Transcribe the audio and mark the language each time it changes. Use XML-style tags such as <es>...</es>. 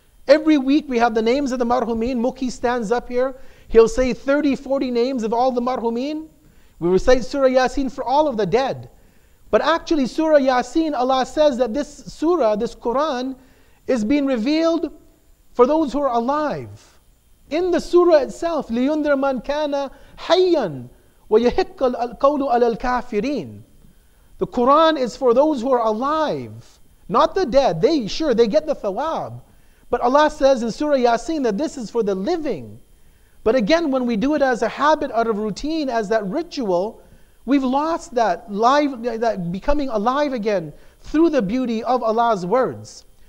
<en>Every week we have the names of the marhumin. Muki stands up here. He'll say 30, 40 names of all the marhumin. We recite Surah Yasin for all of the dead. But actually Surah Yasin, Allah says that this surah, this Quran, is being revealed for those who are alive. In the surah itself,</en> <ar>لِيُنْذِرْ مَنْ كَانَ حَيًّا وَيَحِقَّ الْقَوْلُ عَلَى الْكَافِرِينَ.</ar> <en>The Quran is for those who are alive, not the dead. They get the thawab. But Allah says in Surah Yasin that this is for the living. But again, when we do it as a habit, out of routine, as that ritual, we've lost that live, that becoming alive again through the beauty of Allah's words.</en>